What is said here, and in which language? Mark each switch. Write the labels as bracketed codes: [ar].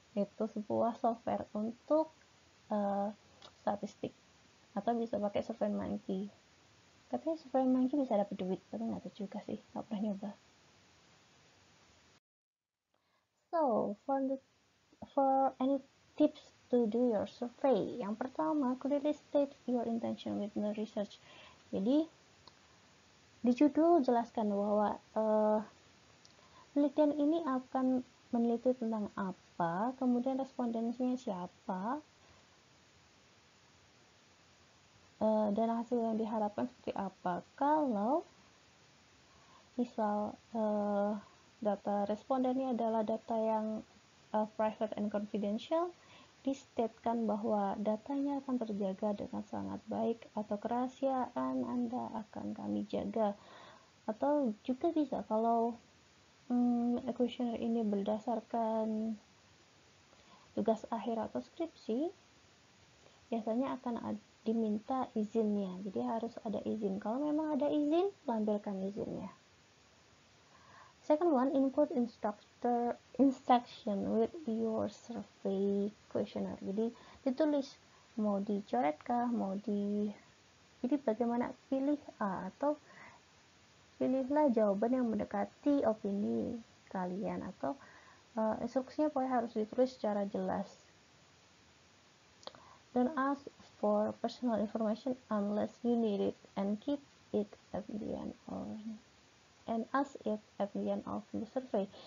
[id] Itu sebuah software untuk statistik, atau bisa pakai SurveyMonkey. Katanya SurveyMonkey bisa dapat duit, tapi nggak tahu juga sih, nggak pernah nyoba. [en] So, for any tips to do your survey. [id] Yang pertama, [en] clearly state your intention with the research. [id] Jadi, di judul jelaskan bahwa penelitian ini akan meneliti tentang apa, kemudian respondennya siapa, dan hasil yang diharapkan seperti apa. Kalau misal data respondennya adalah data yang [en] private and confidential, [id] distatekan bahwa datanya akan terjaga dengan sangat baik atau kerahasiaan Anda akan kami jaga. Atau juga bisa kalau questionnaire ini berdasarkan tugas akhir atau skripsi, biasanya akan diminta izinnya. Jadi harus ada izin. Kalau memang ada izin, lampirkan izinnya. [en] Second one, include instruction with your survey questionnaire. [id] Jadi ditulis mau dicoret kah, mau di, jadi bagaimana pilih A, atau pilihlah jawaban yang mendekati opini kalian, atau instruksinya pokoknya harus ditulis secara jelas. [en] Don't ask for personal information unless you need it, and keep it at the end of, and ask it at the end of the survey.